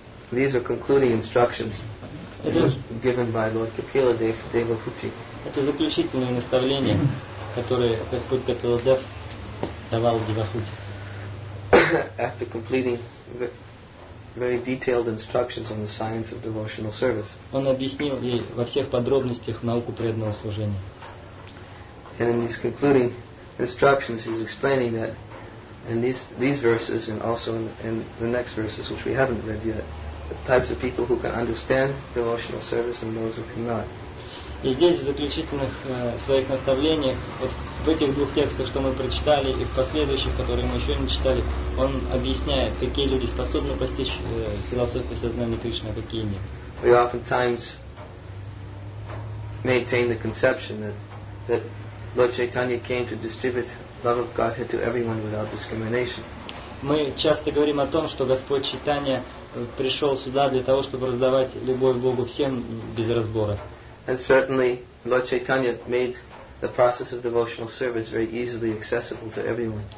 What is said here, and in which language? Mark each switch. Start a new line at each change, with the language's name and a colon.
English: These are concluding instructions given by Lord Kapila Devahuti.
Russian: Это заключительное наставление, которое Господь Капиладев давал Девахути.
English: After completing very detailed instructions on the science of devotional service.
Russian: Он объяснил ей во всех подробностях науку преданного служения.
English: And in these concluding instructions, he's explaining that. And these verses, and also in the next verses, which we haven't read yet, the types of people who can understand devotional service and those who cannot.
Russian: И здесь в заключительных своих наставлениях, вот в этих двух текстах, что мы прочитали, и в последующих, которые мы еще не читали, он объясняет, какие люди способны постичь философию сознания Кришны, а какие нет.
English: We oftentimes maintain the conception that Lord Chaitanya came to distribute love of Godhead to everyone without discrimination.
Russian: Мы часто говорим о том, что Господь Чайтанья пришел сюда для того, чтобы раздавать любовь Богу всем без разбора.
English: And certainly, Lord Chaitanya made the process of devotional service very easily accessible to everyone.